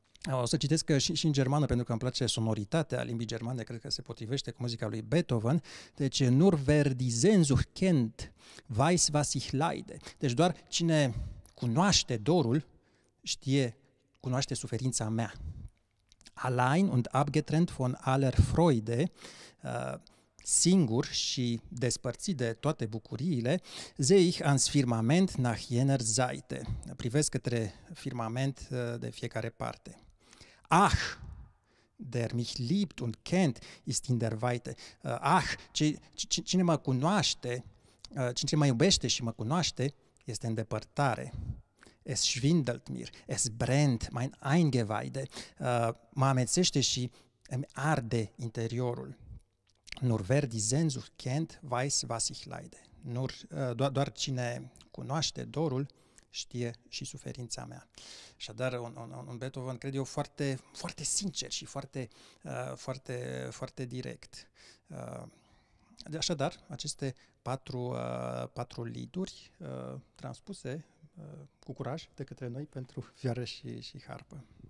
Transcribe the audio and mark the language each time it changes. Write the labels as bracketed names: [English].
[Romanian] O să citesc și în germană, pentru că îmi place sonoritatea limbii germane, cred că se potrivește cu muzica lui Beethoven. Deci, [German] nur wer die Sehnsucht kennt, weiß was ich leide. [Romanian] Deci, doar cine cunoaște dorul, știe, cunoaște suferința mea. [German] Allein und abgetrennt von aller Freude, [Romanian] singur și despărțit de toate bucuriile, [German] sehe ich ans Firmament nach jener Seite. [Romanian] Privesc către firmament de fiecare parte. [German] Ach, der mich liebt und kennt, ist in der Weite. [Romanian] Ach, cine mă cunoaște, cine mă iubește și mă cunoaște, este în depărtare. [German] Es schwindelt mir, es brennt mein Eingeweide. [Romanian] Mă amețește și îmi arde interiorul. [German] Nur wer die Sehnsucht kennt, weiß was ich leide. [Romanian] Doar cine cunoaște dorul, știe și suferința mea. Așadar, un Beethoven, cred eu, foarte, foarte sincer și foarte, foarte, foarte direct. Așadar, aceste patru liduri transpuse cu curaj de către noi pentru fioară și harpă.